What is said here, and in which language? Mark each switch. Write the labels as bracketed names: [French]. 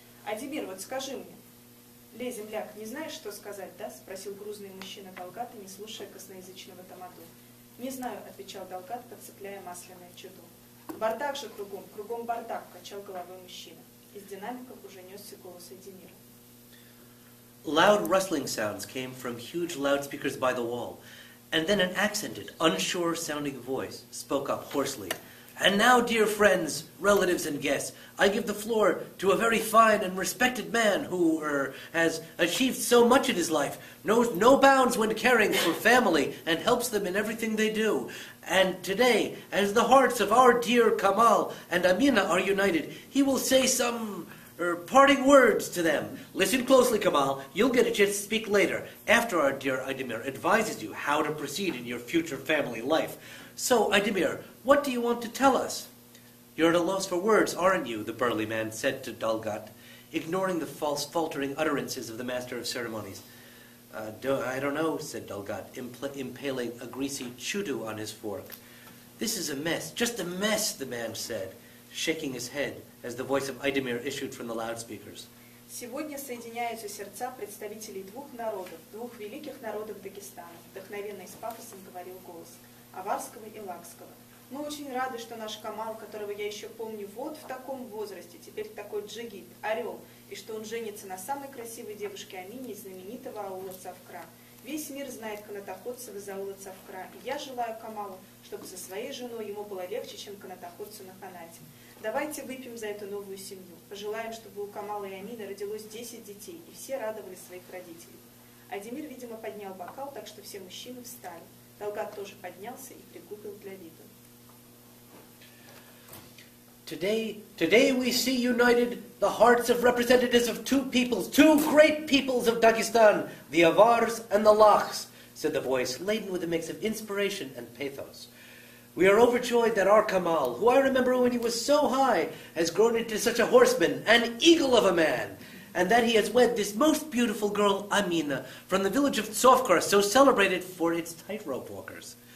[Russian] Адемир, вот скажи мне. Ле, земляк, не знаешь, что сказать, да? Спросил грузный мужчина Долгат, не слушая косноязычного Тамаду. Не знаю, отвечал Долгат, подцепляя масляное чудо. Бардак же кругом бардак, качал головой мужчина. Из динамиков уже несся голос Адемира. [English] Loud rustling sounds came from huge loudspeakers by the wall, and then an accented, unsure-sounding voice spoke up hoarsely. And now, dear friends, relatives, and guests, I give the floor to a very fine and respected man who has achieved so much in his life, knows no bounds when caring for family, and helps them in everything they do. And today, as the hearts of our dear Kamal and Amina are united, he will say some parting words to them. Listen closely, Kamal. You'll get a chance to speak later, after our dear Idemir advises you how to proceed in your future family life. So, Idemir, what do you want to tell us? You're at a loss for words, aren't you? The burly man said to Dalgat, ignoring the false, faltering utterances of the master of ceremonies. I don't know, said Dalgat, impaling a greasy chudu on his fork. This is a mess, just a mess, the man said, shaking his head as the voice of Idemir issued from the loudspeakers. [Russian] Сегодня соединяются сердца представителей двух народов, двух великих народов Дагестана, вдохновенно и с пафосом говорил голос, аварского и лакского. Мы очень рады, что наш Камал, которого я еще помню вот в таком возрасте, теперь такой джигит, орел, и что он женится на самой красивой девушке Амине из знаменитого аула Цавкра. Весь мир знает канатоходцев из аула Цавкра, и я желаю Камалу, чтобы со своей женой ему было легче, чем канатоходцу на Ханате. Давайте выпьем за эту новую семью. Пожелаем, чтобы у Камала и Амины родилось 10 детей, и все радовали своих родителей. Адемир, видимо, поднял бокал, так что все мужчины встали. Долгат тоже поднялся и пригубил для вида. [English] Today we see united the hearts of representatives of two peoples, two great peoples of Dagestan, the Avars and the Lakhs, said the voice, laden with a mix of inspiration and pathos. We are overjoyed that our Kamal, who I remember when he was so high, has grown into such a horseman, an eagle of a man, and that he has wed this most beautiful girl, Amina, from the village of Tsofkar, so celebrated for its tightrope walkers.